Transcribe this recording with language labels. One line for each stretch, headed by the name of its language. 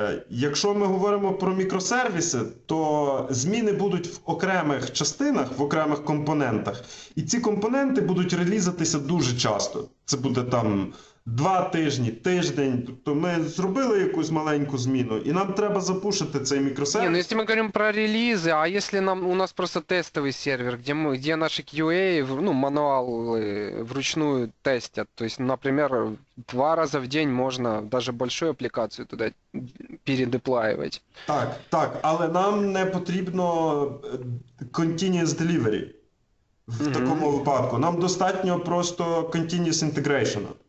Ukrainian: Якщо ми говоримо про мікросервіси, то зміни будуть в окремих частинах, в окремих компонентах. І ці компоненти будуть релізатися дуже часто. Це буде там 2 тижні, тиждень. Тобто ми зробили якусь маленьку зміну, і нам треба запушити цей
Russian: Не, ну
Ukrainian: мікросервіс.
Russian: если мы говорим про релизы, а если нам у нас просто тестовый сервер, где наши QA, ну, мануалы вручную тестят, то есть, например, 2 раза в день можно даже большую аппликацию туда передеплаивать.
Ukrainian: Так, але нам не потрібно continuous delivery в такому випадку. Нам достатньо просто continuous integration.